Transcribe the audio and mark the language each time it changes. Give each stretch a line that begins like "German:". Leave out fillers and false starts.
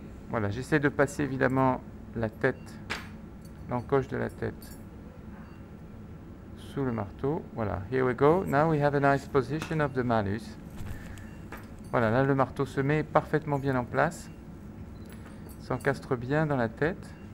French: Voilà, j'essaie de passer évidemment la tête, l'encoche de la tête sous le marteau.
English: Voilà, here we go. Now we have a nice position of the malleus.
French: Voilà, là le marteau se met parfaitement bien en place, s'encastre bien dans la tête.